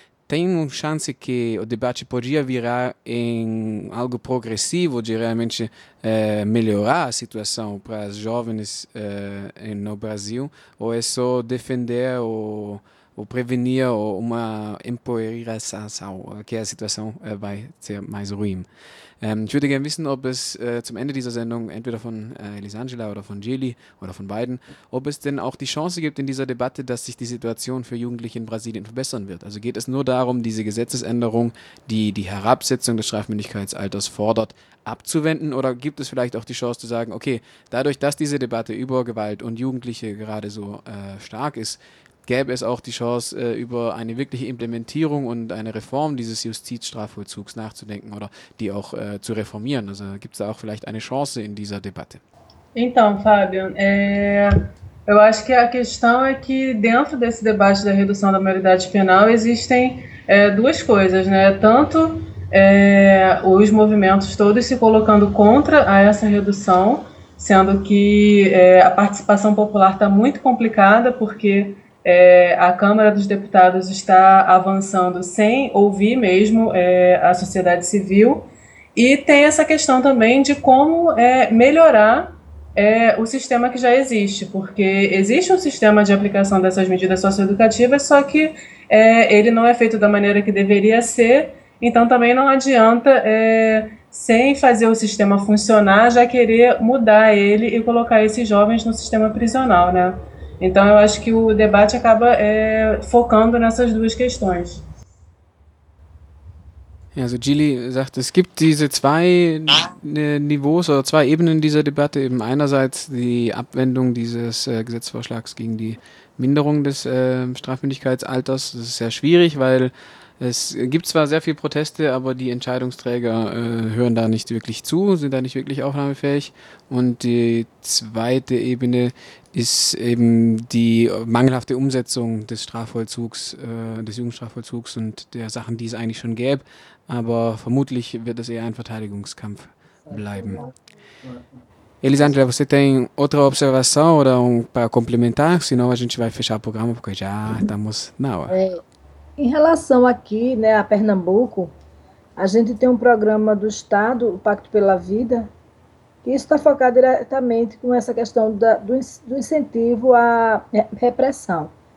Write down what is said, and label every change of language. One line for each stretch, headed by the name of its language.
Portuguese: Tem uma chance que o debate podia virar em algo progressivo de realmente melhorar a situação para as jovens no Brasil? Ou é só defender ou prevenir uma empoeiração, que a situação vai ser mais ruim?
German: Ich würde gerne wissen, ob es zum Ende dieser Sendung, entweder von Elisangela oder von Gili oder von beiden, ob es denn auch die Chance gibt in dieser Debatte, dass sich die Situation für Jugendliche in Brasilien verbessern wird. Also geht es nur darum, diese Gesetzesänderung, die die Herabsetzung des Strafmündigkeitsalters fordert, abzuwenden? Oder gibt es vielleicht auch die Chance zu sagen, okay, dadurch, dass diese Debatte über Gewalt und Jugendliche gerade so stark ist, gäbe es auch die Chance, über eine wirkliche Implementierung und eine Reform dieses Justizstrafvollzugs nachzudenken oder die auch zu reformieren? Also gibt es da auch vielleicht eine Chance in dieser Debatte?
Portuguese: Então, Fábio, eu acho que a questão é que dentro desse debate da redução da maioridade penal existem duas coisas, né? Tanto os movimentos todos se colocando contra essa redução, sendo que a participação popular está muito complicada, porque a Câmara dos Deputados está avançando sem ouvir mesmo a sociedade civil, e tem essa questão também de como melhorar o sistema que já existe, porque existe um sistema de aplicação dessas medidas socioeducativas, só que ele não é feito da maneira que deveria ser, então também não adianta, sem fazer o sistema funcionar, já querer mudar ele e colocar esses jovens no sistema prisional, né? Então, eu acho que o debate acaba focando nessas duas questões.
German: Also Gili sagt, es gibt diese zwei Niveaus oder zwei Ebenen dieser Debatte. Eben einerseits die Abwendung dieses Gesetzesvorschlags gegen die Minderung des Strafmündigkeitsalters. Das ist sehr schwierig, weil es gibt zwar sehr viel Proteste, aber die Entscheidungsträger hören da nicht wirklich zu, sind da nicht wirklich aufnahmefähig. Und die zweite Ebene ist eben die mangelhafte Umsetzung des Strafvollzugs, des Jugendstrafvollzugs und der Sachen, die es eigentlich schon gäbe. Aber vermutlich wird es eher ein Verteidigungskampf bleiben.
Portuguese: Elisandra, você tem outra observação oder para complementar? Senão a gente vai fechar o programa, porque já estamos na hora. Em relação aqui, né, a Pernambuco, a gente tem um programa do Estado, o Pacto pela Vida, que está focado diretamente com essa questão do incentivo à repressão.